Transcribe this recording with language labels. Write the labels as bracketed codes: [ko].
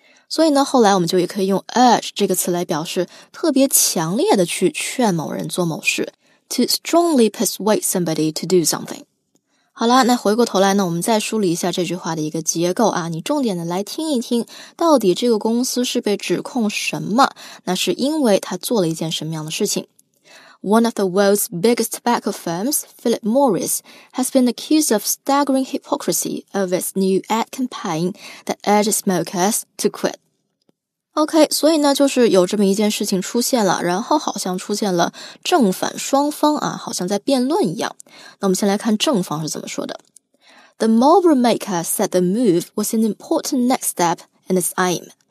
[zh] 所以呢，后来我们就也可以用 urge 这个词来表示特别强烈的去劝某人做某事， [en] to strongly persuade somebody to do something。 [zh] 好啦，那回过头来呢，我们再梳理一下这句话的一个结构啊，你重点的来听一听，到底这个公司是被指控什么？那是因为他做了一件什么样的事情？ [en] One of the world's biggest tobacco firms, Philip Morris, has been accused of staggering hypocrisy of its new ad campaign that urges smokers to quit. [zh] OK, 所以呢，就是有这么一件事情出现了，然后好像出现了正反双方啊，好像在辩论一样。那我们先来看正方是怎么说的。 [en] The Marlboro maker said the move was an important next step in its aim.